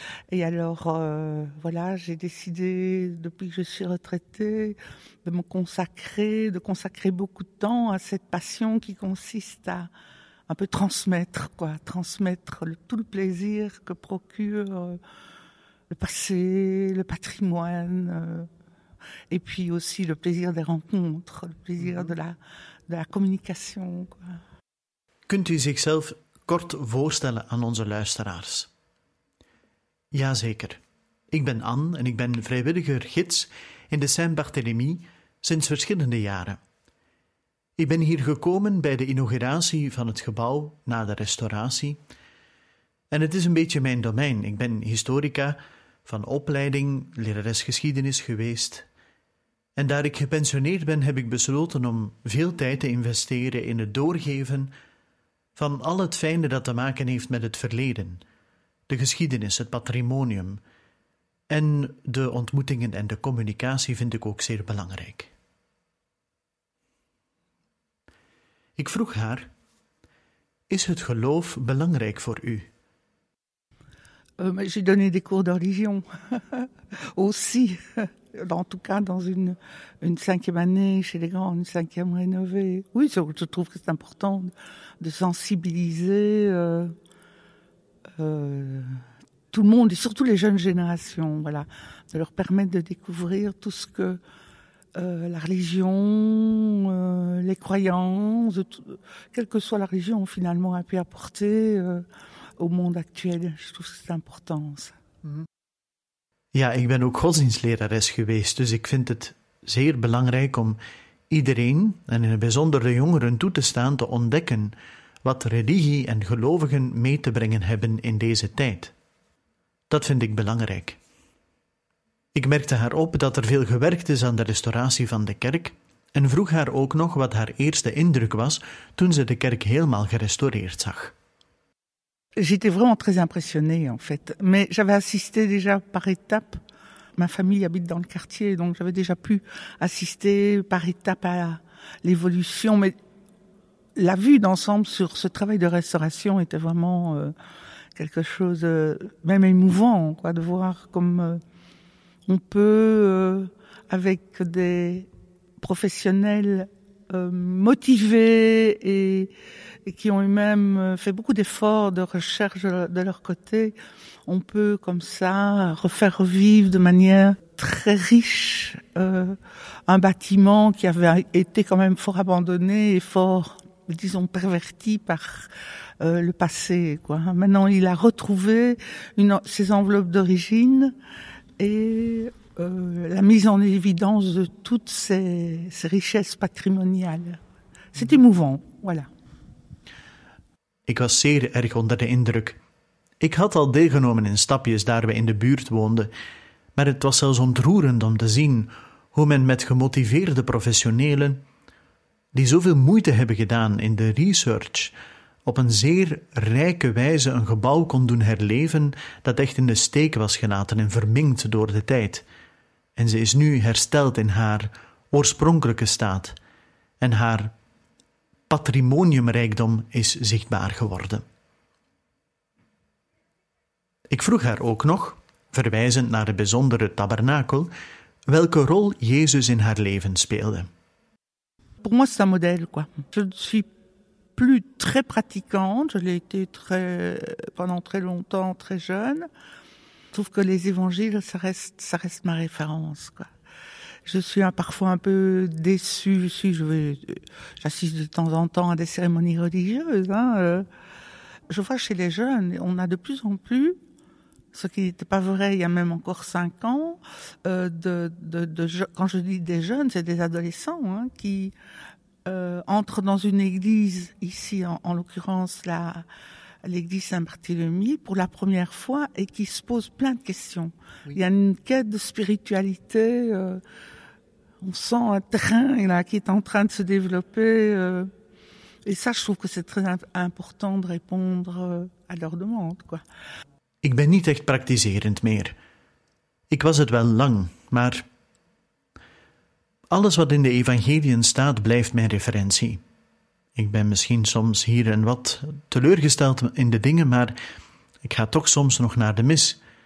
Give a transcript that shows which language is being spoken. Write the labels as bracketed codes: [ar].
[fr] Et alors, voilà, j'ai décidé, depuis que je suis retraitée, de consacrer beaucoup de temps à cette passion qui consiste à un peu transmettre, quoi, tout le plaisir que procure le passé, le patrimoine, et puis aussi le plaisir des rencontres, le plaisir de la communication, quoi. [nl] Kunt u zichzelf kort voorstellen aan onze luisteraars? Jazeker. Ik ben Anne en ik ben vrijwilliger gids in de Saint-Barthélemy sinds verschillende jaren. Ik ben hier gekomen bij de inauguratie van het gebouw na de restauratie. En het is een beetje mijn domein. Ik ben historica van opleiding, lerares geschiedenis geweest. En daar ik gepensioneerd ben, heb ik besloten om veel tijd te investeren in het doorgeven van al het fijne dat te maken heeft met het verleden, de geschiedenis, het patrimonium en de ontmoetingen en de communicatie vind ik ook zeer belangrijk. Ik vroeg haar, is het geloof belangrijk voor u? [fr] J'ai donné des cours de religion aussi, en tout cas dans une cinquième année chez les grands, une cinquième rénovée. Oui, je trouve que c'est important de sensibiliser tout le monde, et surtout les jeunes générations, voilà, de leur permettre de découvrir tout ce que La religion, les croyances, quelle que soit la religion, finalement, a pu apporter au monde actuel. Je trouve que c'est important, ça. [nl] Ja, ik ben ook godsdienstlerares geweest, dus ik vind het zeer belangrijk om iedereen, en in het bijzonder de jongeren, toe te staan te ontdekken wat religie en gelovigen mee te brengen hebben in deze tijd. Dat vind ik belangrijk. Ik merkte haar op dat er veel gewerkt is aan de restauratie van de kerk en vroeg haar ook nog wat haar eerste indruk was toen ze de kerk helemaal gerestaureerd zag. [fr] J'étais vraiment très impressionnée en fait, mais j'avais assisté déjà par étapes. Ma famille habite dans le quartier, donc j'avais déjà pu assister par étapes à l'évolution. Mais la vue d'ensemble sur ce travail de restauration était vraiment quelque chose, même émouvant, quoi, de voir comme on peut, avec des professionnels motivés et qui ont eux-mêmes fait beaucoup d'efforts de recherche de leur côté, on peut comme ça refaire revivre de manière très riche un bâtiment qui avait été quand même fort abandonné et fort, disons, perverti par le passé, quoi. Maintenant, il a retrouvé ses enveloppes d'origine et la mise en évidence de toutes ces richesses patrimoniales. C'est émouvant, voilà. [nl] Ik was zeer erg onder de indruk. Ik had al deelgenomen in stapjes daar we in de buurt woonden, maar het was zelfs ontroerend om te zien hoe men met gemotiveerde professionelen, die zoveel moeite hebben gedaan in de research, op een zeer rijke wijze een gebouw kon doen herleven dat echt in de steek was gelaten en verminkt door de tijd. En ze is nu hersteld in haar oorspronkelijke staat en haar patrimoniumrijkdom is zichtbaar geworden. Ik vroeg haar ook nog, verwijzend naar de bijzondere tabernakel, welke rol Jezus in haar leven speelde. [fr] Pour moi, c'est un modèle, quoi. Je ne suis plus très pratiquante. Je l'ai été pendant très longtemps, très jeune. Je trouve que les évangiles, ça reste ma référence, quoi. Je suis parfois un peu déçue. J'assiste de temps en temps à des cérémonies religieuses. Hein. Je vois chez les jeunes, on a de plus en plus, ce qui n'était pas vrai il y a même encore 5 ans, quand je dis des jeunes, c'est des adolescents hein, qui entrent dans une église, ici en l'occurrence l'église Saint-Barthélemy, pour la première fois et qui se posent plein de questions. Oui. Il y a une quête de spiritualité. On sent un terrain là, qui est en train de se développer. Et ça, je trouve que c'est très important de répondre à leur demande. Quoi. [nl] Ik ben niet echt praktiserend meer. Ik was het wel lang, maar alles wat in de evangeliën staat, blijft mijn referentie. Ik ben misschien soms hier en wat teleurgesteld in de dingen, maar ik ga toch soms nog naar de mis.